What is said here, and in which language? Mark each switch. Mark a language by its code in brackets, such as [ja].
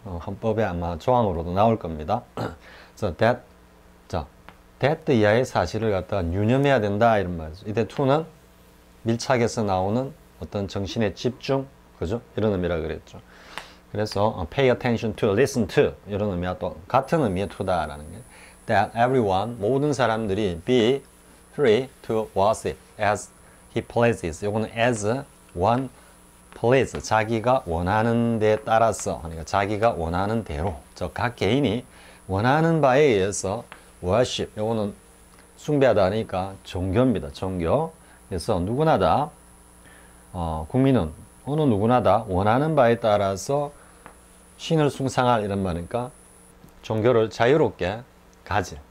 [ko] 헌법에 아마 조항으로도 나올 겁니다. So that, that 이하의 사실을 갖다가 유념해야 된다, 이런 말이죠. 이때 to는 밀착에서 나오는 어떤 정신의 집중, 그죠? 이런 의미라 그랬죠. 그래서 pay attention to, listen to, 이런 의미와 또 같은 의미의 to다라는 게. [en] That everyone, 모든 사람들이 be free to worship as he pleases. [ko] 요거는 as one please. 자기가 원하는 데 따라서, 그러니까 자기가 원하는 대로. 저 각 개인이 원하는 바에 의해서 worship. 요거는 숭배하다 하니까 종교입니다. 종교. 그래서 누구나 다, 국민은 어느 누구나 다 원하는 바에 따라서 신을 숭상할, 이런 말이니까 종교를 자유롭게 가지.